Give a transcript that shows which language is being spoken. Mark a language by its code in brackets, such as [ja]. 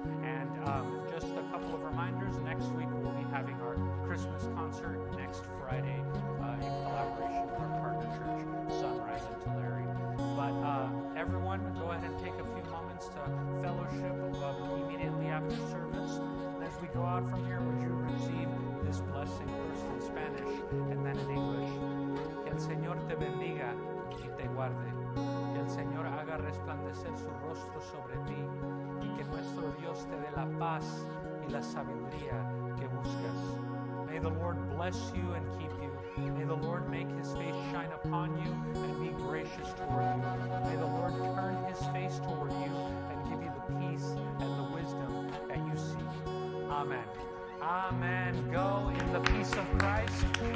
[en] And just a couple of reminders, next week we'll be having our Christmas concert next Friday in collaboration with our partner church, Sunrise in Tulare. But everyone, go ahead and take a few moments to fellowship immediately after service. And as we go out from here, would you receive this blessing first in Spanish and then in English? [es] El Señor te bendiga y te guarde. El Señor haga resplandecer su rostro sobre ti y que nuestro Dios te dé la paz y la sabiduría que buscas. [en] May the Lord bless you and keep you. May the Lord make his face shine upon you and be gracious toward you. May the Lord turn his face toward you and give you the peace and the wisdom that you seek. Amen. Amen. Go in the peace of Christ.